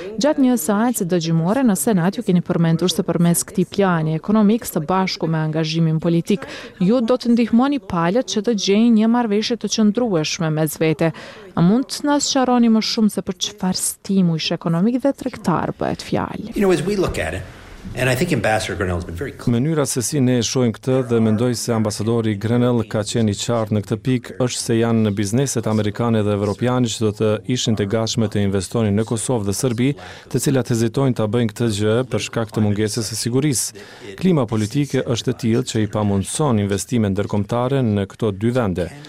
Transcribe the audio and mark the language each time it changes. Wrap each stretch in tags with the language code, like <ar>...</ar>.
<sq>Gjatë një seancë dëgjimore në Senat ju keni përmendur se përmes këtij plani ekonomik së bashku me angazhimin politik, ju do të ndihmoni palët që të gjejnë një marrëveshje të qëndrueshme mes vete. A mund të na sqaroni më shumë se për çfarë stimulsh ekonomik dhe tregtar bëhet fjalë?</sq> <en>And I think Ambassador Grenell has been very clear.</en> <sq>Mënyra se si ne e shohim këtë dhe mendoj se ambasadori Grenell ka qenë i qartë në këtë pikë është se janë në bizneset amerikane dhe evropiane që do të ishin të gatshme të investonin në Kosovë dhe Serbi, të cilat hezitojnë ta bëjnë këtë gjë për shkak të mungesës së sigurisë. Klima politike është e tillë që i pamundson investime ndërkombëtare në këto dy vende.</sq>